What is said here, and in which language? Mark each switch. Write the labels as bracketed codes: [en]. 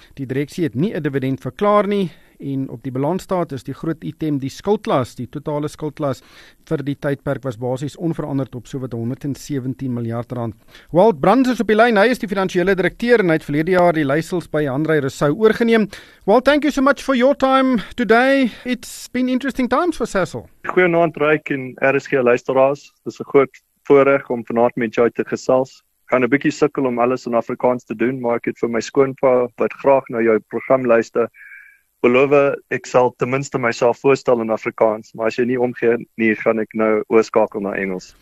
[af] Die direksie het nie 'n dividend verklaar nie en op die balansstaat is die groot item die skuldlas. Die totale skuldlas vir die tydperk was basies onveranderd op sowat R117 miljard. Walt Brands is op die lyn. Hy is die finansiële direkteur en hy het verlede jaar die leisels by Andre Rousseau oorgeneem. [en] Walt, thank you so much for your time today. It's been interesting times for Sasol. [af] Goeienaand, Ryk en RSG luisteraars. Dis 'n groot voorreg om vanaand met jou te gesels. Kan 'n bietjie sukkel om alles in Afrikaans te doen, maar ek het vir my skoonpa wat graag na jou program luister, beloof ek sal ten minste myself voorstel in Afrikaans, maar as jy nie omgee nie, gaan ek nou oorskakel na Engels.